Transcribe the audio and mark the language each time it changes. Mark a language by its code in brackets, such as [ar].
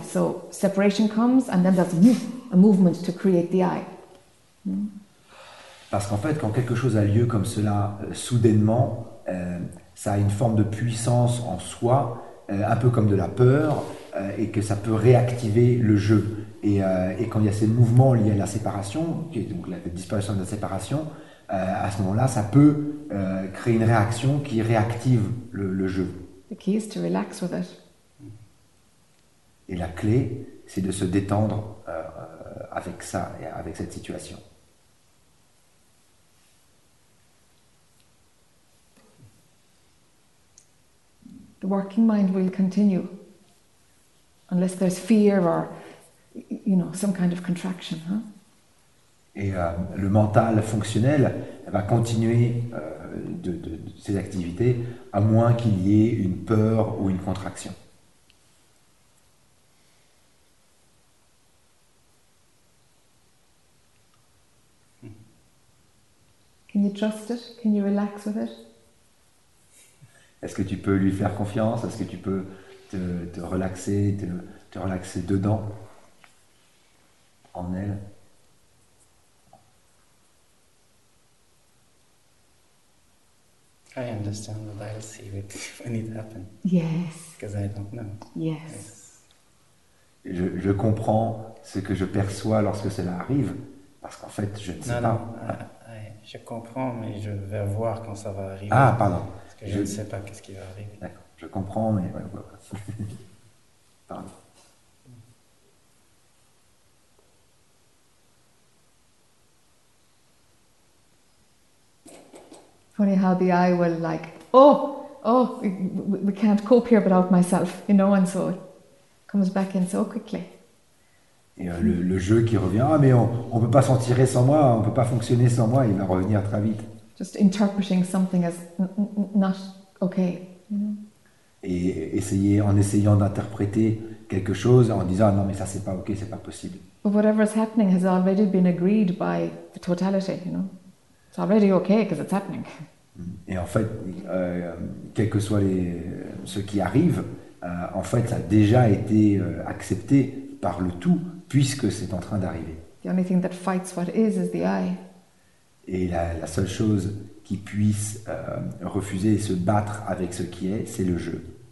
[en] So separation comes, and then there's a movement to create the eye. [fr] Parce qu'en fait, quand quelque chose a lieu comme cela soudainement, ça a une forme de puissance en soi, un peu comme de la peur. Et que ça peut réactiver le jeu. Et quand il y a ces mouvements liés à la séparation, qui est donc la disparition de la séparation, à ce moment-là, ça peut créer une réaction qui réactive le jeu. [en] The key is to relax with it. [fr] Et la clé, c'est de se détendre avec ça, avec cette situation. [en] The working mind will continue. Unless there's fear or, you know, some kind of contraction, huh? [fr] Et le mental fonctionnel va continuer de ses activités à moins qu'il y ait une peur ou une contraction. [en] Can you trust it? Can you relax with it? [fr] Est-ce que tu peux lui faire confiance? Est-ce que tu peux te relaxer, te relaxer dedans, en elle. [en] I understand that I'll see it when it happens. Yes. Because I don't know. Yes. [fr] Je comprends ce que je perçois lorsque cela arrive, parce qu'en fait, je ne sais pas. Je comprends, mais je vais voir quand ça va arriver. Ah, pardon. Parce que je ne sais pas qu'est-ce qui va arriver. D'accord. Je comprends, mais ouais. Pardon. [en] Funny how the eye will like, oh, we can't cope here without myself, you know, and so it comes back in so quickly. [fr] Et le jeu qui revient, ah, mais on peut pas s'en tirer sans moi, on peut pas fonctionner sans moi, il va revenir très vite. [en] Just interpreting something as not okay, you know. [fr] Et essayant d'interpréter quelque chose en disant non mais ça c'est pas ok, c'est pas possible. [en] But whatever is happening has already been agreed by the totality, you know. It's already okay because it's happening. [fr] Et en fait, quel que soit ce qui arrive, en fait, ça a déjà été accepté par le tout puisque c'est en train d'arriver. [en] The only thing that fights what is the I. [fr] Et la seule chose qui puisse refuser et se battre avec ce qui est, c'est le jeu.